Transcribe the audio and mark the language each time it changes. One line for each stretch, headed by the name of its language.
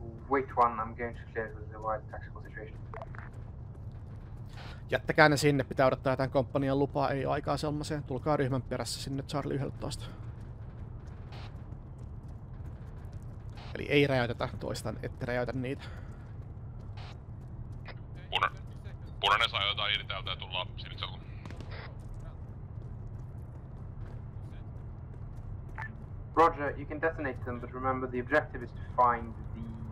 English: Wait one, I'm going to clear the wide tactical situation.
Finnish: Jättäkää ne sinne, pitää odottaa jotain komppanian lupaa, ei ole aikaa selmaseen. Tulkaa ryhmän perässä sinne Charlie 11. Eli ei räjäytetä, toistan, ette räjäytä niitä. Punainen saa jotain irti täältä ja tullaan sinisellä.
English: Roger, you can detonate them, but remember the objective is to find the...